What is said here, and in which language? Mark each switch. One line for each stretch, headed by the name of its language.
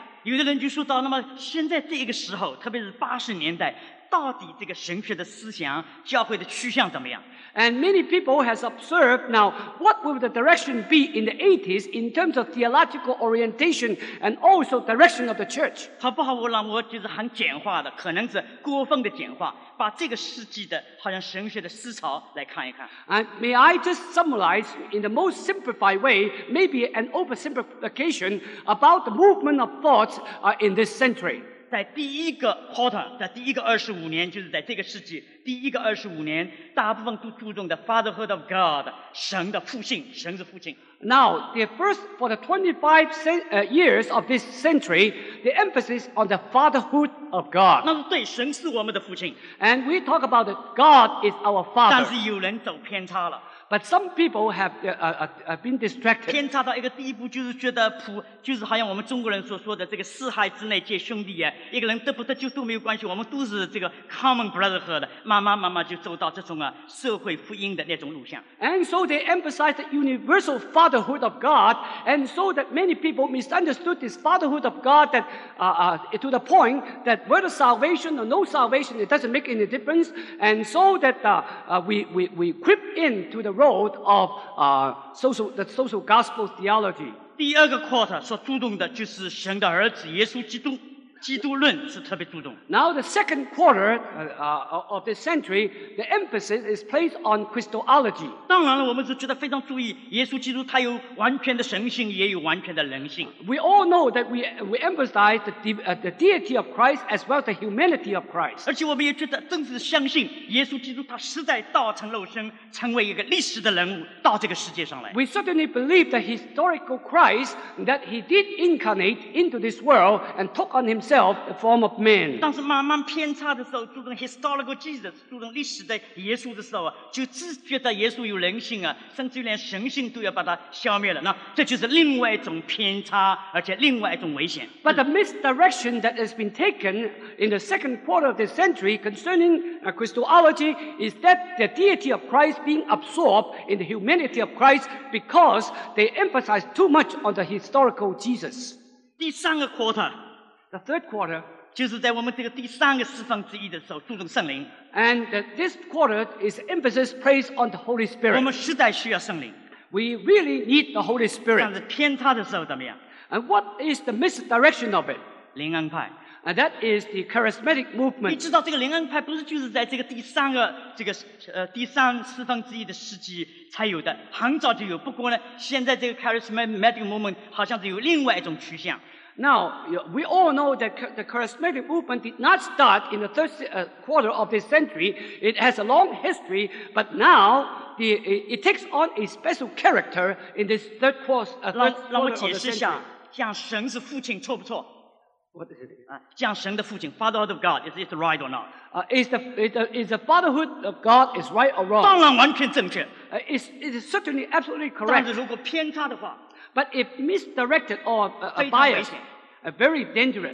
Chinese: 有的人就说到，那么现在这个时候，特别是八十年代，到底这个神学的思想、教会的趋向怎么样？
English: And many people has observed now what will the direction be in the 80s in terms of theological orientation and also direction of the church.
Chinese: 好不好？我就是很简化的，可能是过分的简化，把这个世纪的好像神学的思潮来看一看。
English: And may I just summarize in the most simplified way, maybe an oversimplification about the movement of thoughts in this century.
Chinese: 在第一个 quarter， 在第一个二十五年，就是在这个世纪第一个二十五年，大部分都注重的 fatherhood of God，神的父性，神是父亲。
English: Now the first for the 25 years of this century, the emphasis on the fatherhood of God.
Chinese: 那是对，神是我们的父亲。
English: And we talk about that God is our father.
Chinese: 但是有人走偏差了。
English: But some people have been distracted.
Chinese: 偏差到一个地步，就是觉得就是好像我们中国人所说的这个四海之内皆兄弟呀，一个人得不得救都没有关系，我们都是这个 common brotherhood 的，慢慢就走到这种啊社会福音的那种路线。
English: And so they emphasize the universal fatherhood of God, and so that many people misunderstood this fatherhood of God that to the point that whether salvation or no salvation, it doesn't make any difference, and so that we creep into the road of the social gospel theology.
Chinese: 第二个 quarter 所注重的就是神的儿子耶稣基督。基督论是特别注重。
English: Now the second quarter of this century, the emphasis is placed on Christology.
Chinese: 当然了，我们是觉得非常注意耶稣基督，他有完全的神性，也有完全的人性。
English: We all know that we emphasize the deity of Christ as well as the humanity of Christ.
Chinese: 而且我们也觉得正是相信耶稣基督，他实在道成肉身，成为一个历史的人物到这个世界上来。
English: We certainly believe the historical Christ that he did incarnate into this world and took on himself the form of man.
Chinese: 但是慢慢偏差的时候，注重 historical Jesus，注重历史的耶稣的时候，就自觉得耶稣有人性啊，甚至连神性都要把它消灭了。那这就是另外一种偏差，而且另外一种危险。
English: But the misdirection that has been taken in the second quarter of the century concerning Christology is that the deity of Christ being absorbed in the humanity of Christ because they emphasize too much on the historical Jesus.
Chinese: 第三个 quarter。
English: The third quarter,
Chinese: 就是在我们这个第三个四方之一的时候，注重圣灵。
English: And this quarter is emphasis placed on the Holy Spirit.
Chinese: 我们实在需要圣灵。
English: We really need the Holy Spirit.
Chinese: 但是偏差的时候怎么样？
English: And what is the misdirection of it?
Chinese: 灵恩派。
English: And that is the charismatic movement.
Chinese: 你知道这个灵恩派不是就是在这个第三个这个第三四方之一的世纪才有的，很早就有。不过呢，现在这个 charismatic movement 好像是有另外一种趋向。
English: Now, we all know that the charismatic movement did not start in the third quarter of this century. It has a long history, but now it takes on a special character in this third quarter of the century.
Chinese: 让我解释一下，讲神是父亲错不错？
English: What is it?
Chinese: 讲神的父亲 Fatherhood of God, is it right or not?
English: Is the fatherhood of God is right or wrong?
Chinese: 当然完全正确。
English: It is certainly absolutely correct.
Chinese: 但是如果偏差的话，
English: But if misdirected or biased, very dangerous.